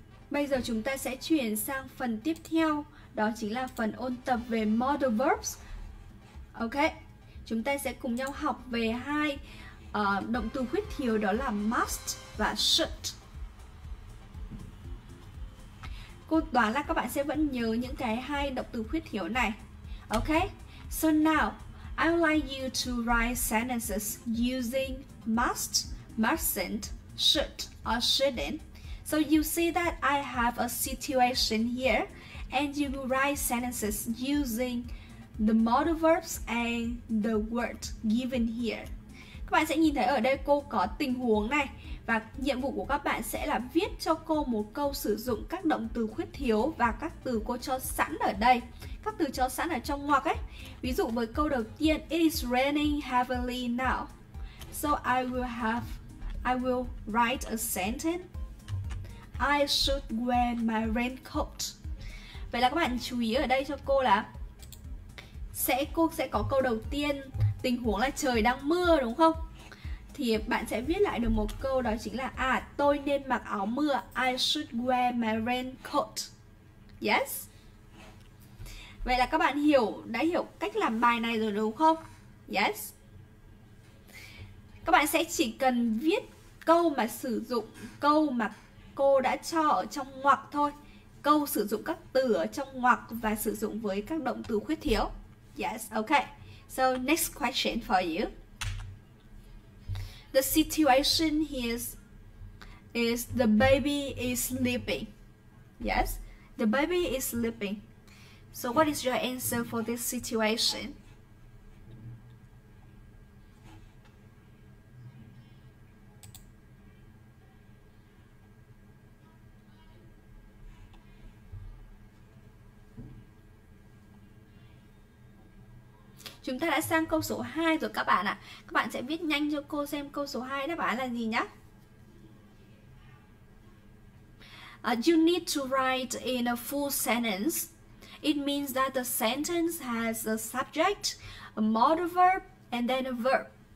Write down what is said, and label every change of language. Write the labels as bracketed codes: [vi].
[vi] Bây giờ chúng ta sẽ chuyển sang phần tiếp theo, đó chính là phần ôn tập về modal verbs. Ok, chúng ta sẽ cùng nhau học về hai động từ huyết thiếu, đó là must và should. Cô đoán là các bạn sẽ vẫn nhớ những cái hai động từ huyết thiếu này. [en] Ok, so now, I would like you to write sentences using must, mustn't, should, or shouldn't. So you see that I have a situation here, and you will write sentences using the modal verbs and the word given here. [vi] Các bạn sẽ nhìn thấy ở đây cô có tình huống này, và nhiệm vụ của các bạn sẽ là viết cho cô một câu sử dụng các động từ khuyết thiếu và các từ cô cho sẵn ở đây, các từ cho sẵn ở trong ngoặc ấy. Ví dụ với câu đầu tiên, [en] it is raining heavily now. So I will write a sentence. I should wear my raincoat. [vi] Vậy là các bạn chú ý ở đây cho cô là cô sẽ có câu đầu tiên, tình huống là trời đang mưa đúng không? Thì bạn sẽ viết lại được một câu, đó chính là à, tôi nên mặc áo mưa. [en] I should wear my raincoat. Yes. [vi] Vậy là các bạn đã hiểu cách làm bài này rồi đúng không? Yes. Các bạn sẽ chỉ cần viết câu mà sử dụng, câu mà cô đã cho ở trong ngoặc thôi. Câu sử dụng các từ ở trong ngoặc và sử dụng với các động từ khuyết thiếu. [en] Yes, okay. So next question for you. The situation here is the baby is sleeping. Yes, the baby is sleeping. So what is your answer for this situation? [vi] Chúng ta đã sang câu số 2 rồi các bạn ạ. Các bạn sẽ viết nhanh cho cô xem câu số 2 đáp án là gì nhé. [en] You need to write in a full sentence. It means that the sentence has a subject, a modal verb, and then a verb.